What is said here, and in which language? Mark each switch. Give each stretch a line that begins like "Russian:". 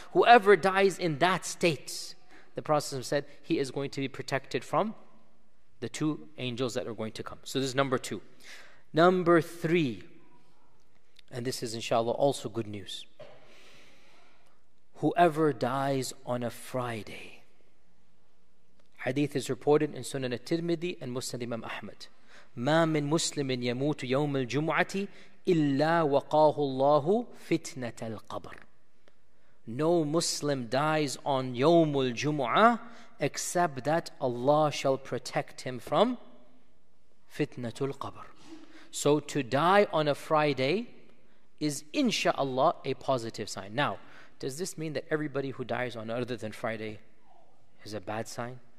English: Whoever dies in that state, the Prophet said, he is going to be protected from the two angels that are going to come. So this is number two. Number three, and this is inshallah also good news. Whoever dies on a Friday. Hadith is reported in Sunan al-Tirmidhi and Musnad Imam Ahmad.
Arabic: ما من مسلم يموت يوم الجمعة إلا وقاه الله فتنة القبر.
English: No Muslim dies on يوم الجمعة except that Allah shall protect him from فتنة القبر. So to die on a Friday is inshallah a positive sign. Now, does this mean that everybody who dies on other than Friday is a bad sign?